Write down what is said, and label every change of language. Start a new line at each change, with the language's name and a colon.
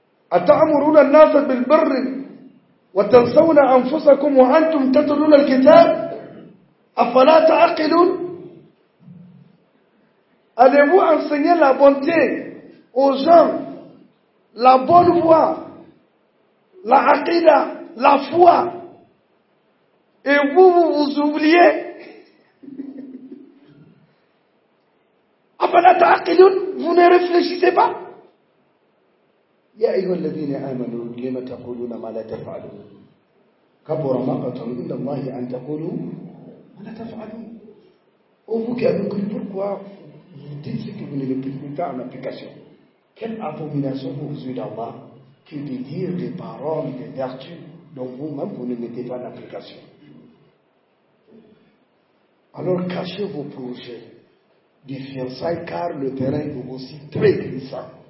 Arabic: Atamuruna nasa bil birr. وتنسون أنفسكم وأنتم تتلون الكتاب أفلا تعقلون
French: allez-vous enseigner la bonté aux gens, la bonne foi, la aqida, la foi, et vous oubliez
Arabic: أفلا تعقلون,
French: vous ne réfléchissez pas.
Arabic: يا أيها الذين آمنوا لما تقولون ما لا تفعلون كبر مقتا عند الله أن تقولوا ما لا تفعلون أو فكانوا
French: pourquoi vous dites ce que vous ne le pouvez pas en application. Quelle abomination vous avez d'Allah que de dire des paroles des vertus dont vous-même vous ne mettez pas en application. Alors cachez vos projets de fiançailles car le terrain est aussi très glissant.